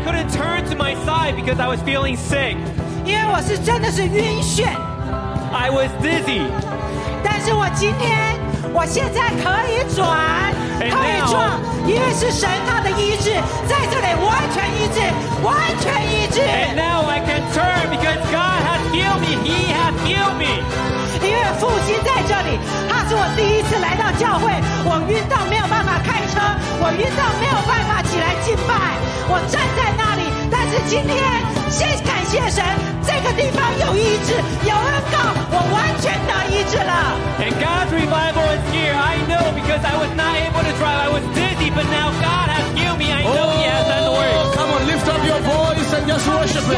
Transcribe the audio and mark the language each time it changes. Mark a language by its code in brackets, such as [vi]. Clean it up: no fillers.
[en] Turn to my side because I was feeling sick. [zh] 因为我是真的是晕眩。 [en] I was dizzy. [zh] 但是我今天，我现在可以转，可以撞，因为是神他的医治，在这里完全医治，完全医治。 [en] And now I can turn because God has healed me. He has healed me. [zh] 因为父亲在这里，他是我第一次来到教会，我晕到没有办法开车，我晕到没有办法起来敬拜，我站在那。今天先感谢神，这个地方有医治，有恩膏，我完全得医治了。 [en] And God's revival is here. I know because I was not able to drive. I was dizzy, but now God has healed me. I know He has done the work. Oh, come on, lift up your voice and just worship Him.